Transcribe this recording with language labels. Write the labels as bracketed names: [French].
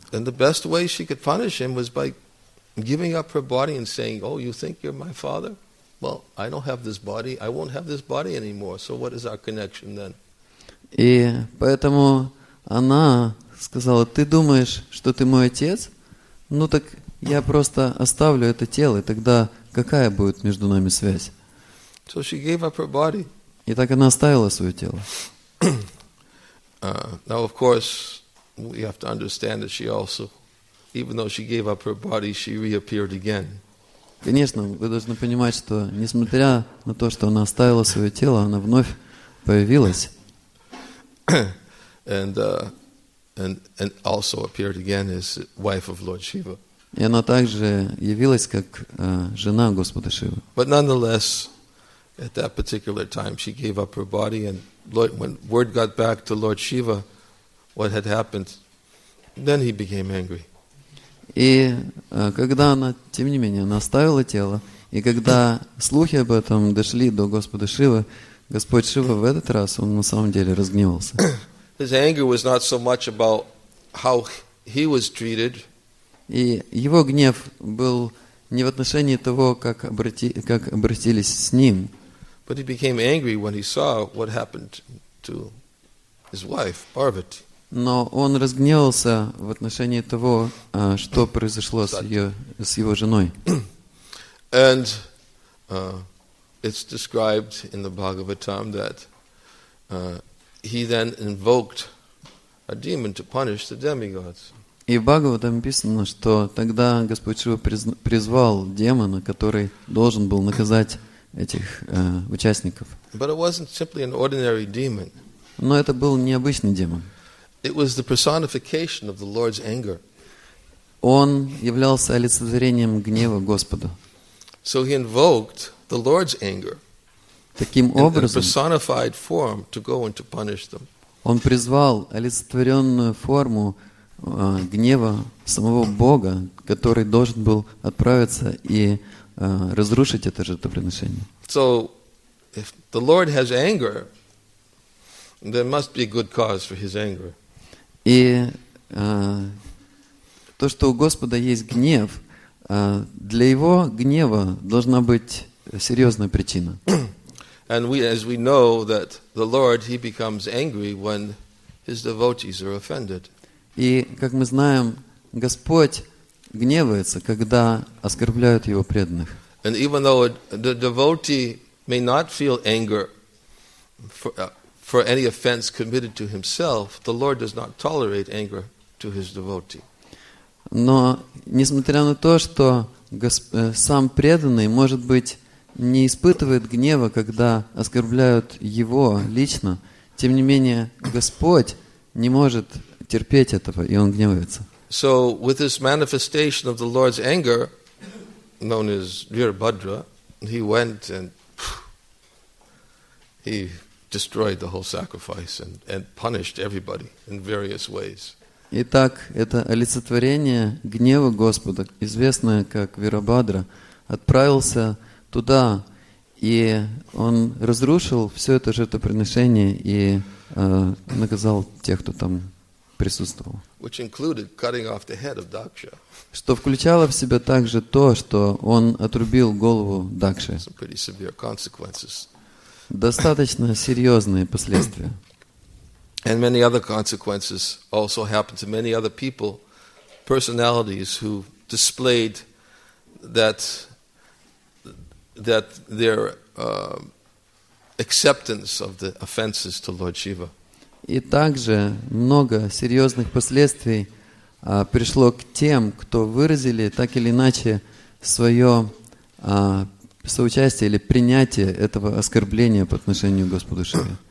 [English] And the best way she could punish him was by giving up her body and saying, oh, you think you're my father? Well, I don't have this body. I won't have this body anymore. So what is our connection then? [Russian] И поэтому она сказала, ты думаешь, что ты мой отец? Ну так я просто оставлю это тело, и тогда какая будет между нами связь? [English] So she gave up her body. [Russian] И так она оставила свое тело. [English] Now, of course, we have to understand that she also, even though she gave up her body, she reappeared again. [Russian] Конечно, вы должны понимать, что несмотря на то, что она оставила свое тело, она вновь появилась. [English] And also appeared again as wife of Lord Shiva. [Russian] И она также явилась как жена Господа Шивы. [English] But nonetheless, at that particular time, she gave up her body, and Lord, when word got back to Lord Shiva what had happened, then he became angry. [Russian] И когда она, тем не менее, она оставила тело, и когда слухи об этом дошли до Господа Шивы, Господь Шива в этот раз, он на самом деле разгневался. [English] His anger was not so much about how he was treated. [Russian] И его гнев был не в отношении того, как обратились с ним. [English] But he became angry when he saw what happened to his wife, Parvati. [Russian] Но он разгневался в отношении того, что произошло с его женой. [English] And it's described in the Bhagavatam that he then invoked a demon to punish the demigods. [Russian] И в Бхагаватам написано, что тогда Господь Шива призвал демона, который должен был наказать этих участников. [English] But it wasn't simply an ordinary demon. [Russian] Но это был необычный демон. [English] It was the personification of the Lord's anger. [Russian] Он являлся олицетворением гнева Господа. [English] So he invoked the Lord's anger. [Russian] Таким образом, [English] in a personified form to go and to punish them. [Russian] Он призвал олицетворенную форму гнева самого Бога, который должен был отправиться и разрушить это жертвоприношение. [English] So, if the Lord has anger, there must be a good cause for His anger. [Russian] И то, что у Господа есть гнев, для Его гнева должна быть серьезная причина. [English] And we, as we know, that the Lord, He becomes angry when His devotees are offended. [Russian] И, как мы знаем, Господь гневается, когда оскорбляют Его преданных. [English] And even though the devotee may not feel anger for any offense committed to himself, the Lord does not tolerate anger to His devotee. [Russian] Но, несмотря на то, что сам преданный, может быть, не испытывает гнева, когда оскорбляют его лично, тем не менее, Господь не может терпеть этого, и Он гневается. [English] So, with this manifestation of the Lord's anger, known as Virabhadra, he went and he destroyed the whole sacrifice and punished everybody in various ways. [Russian] Итак, это олицетворение гнева Господа, известное как Вирабхадра, отправился туда, и он разрушил все это жертвоприношение и наказал тех, кто там присутствовал. [English] Which included cutting off the head of Daksha. [Russian] Что включало в себя также то, что он отрубил голову Дакши. [English] Some pretty severe consequences. [Russian] Достаточно серьезные последствия. [English] And many other consequences also happened to many other people, personalities who displayed that their acceptance of the offenses to Lord Shiva. [Russian] И также много серьезных последствий пришло к тем, кто выразили так или иначе свое соучастие или принятие этого оскорбления по отношению к Господу Шиве.